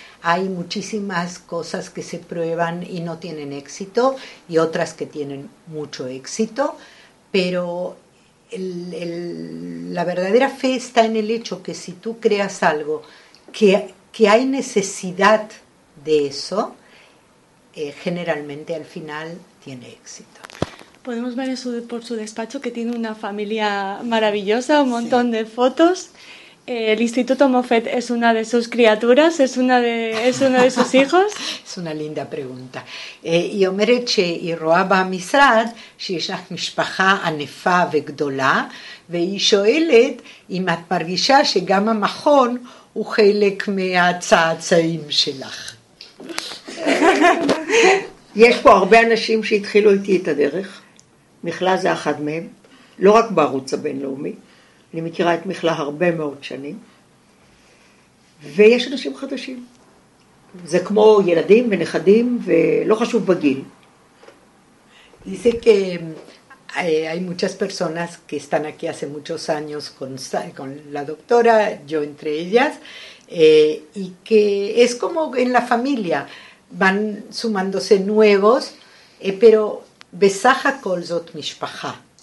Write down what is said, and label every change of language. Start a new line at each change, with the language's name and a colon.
Spanish: Hay muchísimas cosas que se prueban y no tienen éxito y otras que tienen mucho éxito, pero la verdadera fe está en el hecho que si tú creas algo que hay necesidad de eso, generalmente al final tiene éxito. Podemos ver por su despacho que tiene una familia maravillosa, un montón de fotos. El Instituto Moffett es una de sus criaturas, es uno de sus hijos. Es una linda pregunta.
Hebrew: Y אומרת שירואה במשרד שיש לך משפחה ענפה וגדולה, והיא שואלת אם את מרגישה שגם המכון הוא חלק מהצעצעים שלך. יש פה הרבה אנשים שהתחילו איתי את הדרך. מכלה זה אחד מהם, לא רק בערוץ הבינלאומי. אני מכירה את מכלה הרבה מאוד שנים, ויש אנשים חדשים. זה כמו ילדים ונכדים, ולא חשוב בגיל.
Spanish: Dice que hay muchas personas que están aquí hace muchos años con la doctora, yo entre ellas, y que es como en la familia, van sumándose nuevos, pero
Hebrew: בסך הכל זאת משפחה.